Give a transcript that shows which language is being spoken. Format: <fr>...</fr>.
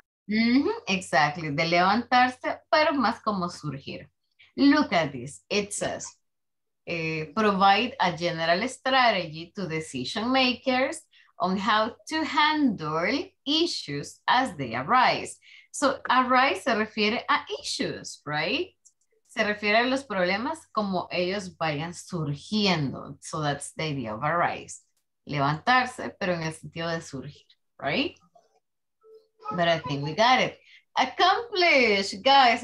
<es>Mm-hmm,</es> <en>exactly,</en> <es>de levantarse, pero más como surgir.</es> <en>Look at this, it says, provide a general strategy to decision makers on how to handle issues as they arise.</en> <es>So arise se refiere a issues, right? Se refiere a los problemas como ellos vayan surgiendo.</es> <en>So that's the idea of arise.</en> <es>Levantarse, pero en el sentido de surgir, right?</es> <en>But I think we got it. Accomplish, guys.</en>